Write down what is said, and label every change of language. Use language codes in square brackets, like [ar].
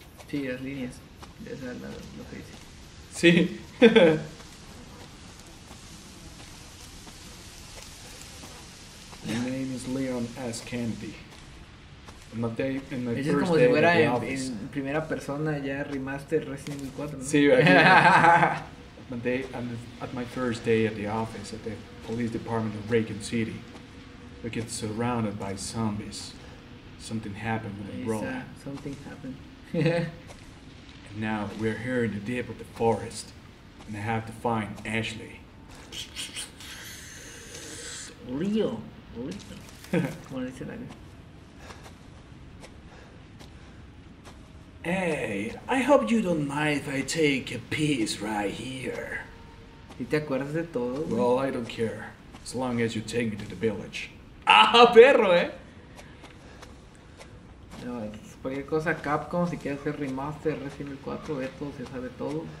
[es] Sí, las líneas. Esa es lo que dice. Sí. [en] My name is Leon S. Kennedy. [es] Es como si fuera en primera persona ya remaster Resident Evil 4, ¿no? Sí, [en] at my first day at the office at the police department of Raccoon City, we get surrounded by zombies. Something happened when I broke. Something happened. And now we're here in the deep of the forest, and I have to find Ashley. [es] Leo. ¿Cómo le dice la gente? [en] Hey, I hope you don't mind if I take a piece right here. [es] ¿Y te acuerdas de todo, güey? [en] Well, I don't care. As long as you take me to the village. [es] ¡Ah, perro, eh! No, cualquier cosa, Capcom, si quieres hacer remaster Resident Evil 4, esto se sabe todo.